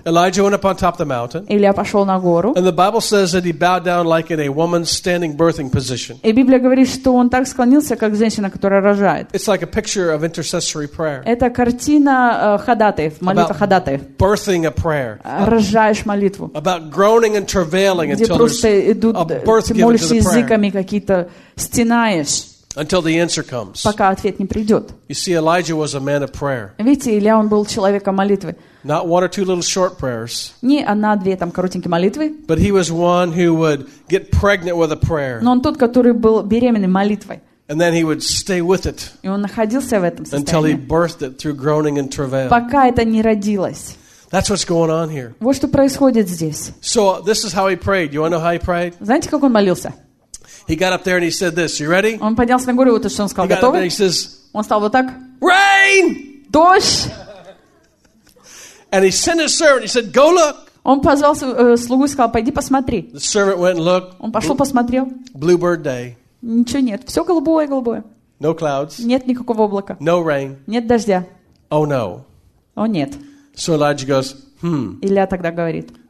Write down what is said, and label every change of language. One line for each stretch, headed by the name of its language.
English: Elijah went up on top of the mountain.
Russian: Илия пошел на гору.
English: And the Bible says that he bowed down like in a woman standing birthing position.
Russian: И Библия говорит, что он так склонился, как женщина, которая рожает.
English: It's like a picture of intercessory prayer.
Russian: Это картина ходатаев, молитва ходатаев.
English: About birthing a prayer.
Russian: Рожаешь молитву.
English: About groaning and travailing until there's a birth given to the prayer.
Russian: Где просто идут, ты молишься языками какие-то, стенаешь.
English: Until the answer comes.
Russian: Пока ответ не придет.
English: You see, Elijah was a man of prayer.
Russian: Видите, Илия он был человеком молитвы.
English: Not one or two little short prayers.
Russian: Не одна-две там коротенькие молитвы.
English: But he was one who would get pregnant with a prayer.
Russian: Но он тот, который был беременный молитвой.
English: And then he would stay with it until he birthed it through groaning and travail.
Russian: Пока это не родилось.
English: That's what's going on here.
Russian: Вот что происходит здесь.
English: So this is how he prayed. You want to know how he prayed?
Russian: Знаете, как он молился?
English: He got up there and he said this. You ready?
Russian: Он поднялся на гору, вот что он сказал. Готовы?
English: He says.
Russian: Он стал вот так.
English: Rain.
Russian: Дождь.
English: And he sent his servant. He said, "Go look."
Russian: Он позвал слугу и сказал, пойди посмотри.
English: The servant went and looked.
Russian: Он пошел посмотрел.
English: Bluebird day.
Russian: Ничего нет. Все голубое, голубое.
English: No clouds.
Russian: Нет никакого облака.
English: No rain.
Russian: Нет дождя.
English: Oh no.
Russian: О нет.
English: So Elijah goes,
Russian: Илья тогда говорит.